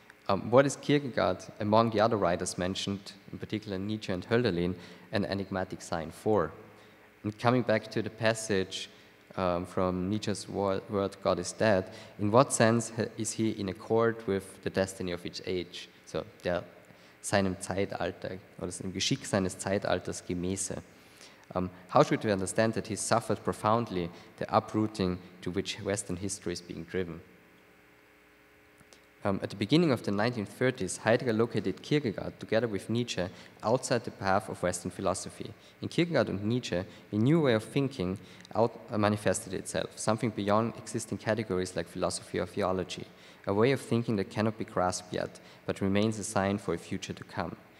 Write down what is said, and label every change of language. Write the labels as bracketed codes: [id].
[en] What is Kierkegaard, among the other writers mentioned, in particular Nietzsche and Hölderlin, an enigmatic sign for? And coming back to the passage from Nietzsche's word, God is dead, in what sense is he in accord with the destiny of each age? [de] So, der seinem Zeitalter, oder dem Geschick seines Zeitalters gemäße. [en] How should we understand that he suffered profoundly the uprooting to which Western history is being driven? At the beginning of the 1930s, Heidegger located Kierkegaard together with Nietzsche outside the path of Western philosophy. In Kierkegaard and Nietzsche, a new way of thinking manifested itself, something beyond existing categories like philosophy or theology, a way of thinking that cannot be grasped yet, but remains a sign for a future to come.